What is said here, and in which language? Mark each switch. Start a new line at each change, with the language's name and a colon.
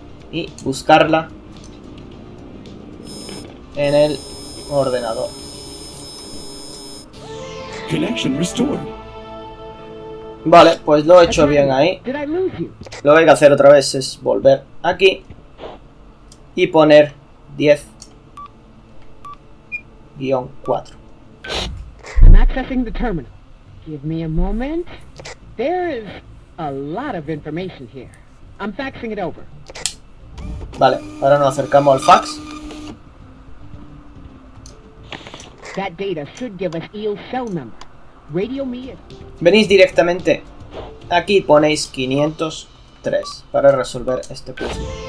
Spanish: Y buscarla en el ordenador.
English: Connection restored.
Spanish: Vale, pues lo he hecho bien ahí. Lo que hay que hacer otra vez es volver aquí y poner 10-4.
English: I'm accessing the terminal. Give me a moment. There is a lot of information here. I'm faxing it over.
Spanish: Vale, ahora nos acercamos al fax.
English: That data should give us Eel's cell number. Radio me.
Spanish: Venís directamente aquí, ponéis 503 para resolver este puzzle.